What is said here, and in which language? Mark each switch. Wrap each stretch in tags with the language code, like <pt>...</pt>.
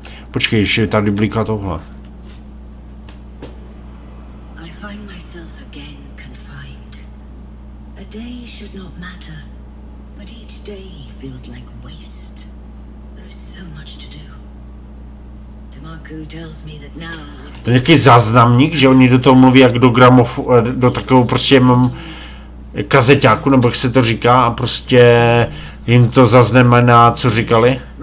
<cs>Počkej, ještě tady bliká tohle.</cs> <en>I find myself again confined. A day should not matter, but each day feels like waste. There is so much to do. Tomaku tells me that now...</en> <cs>To je nějaký záznamník, že oni do toho mluví jak do gramofu, do takového prostě mám... kazeťáku, nebo jak se to říká, a prostě jim to zaznamená, co říkali.</cs>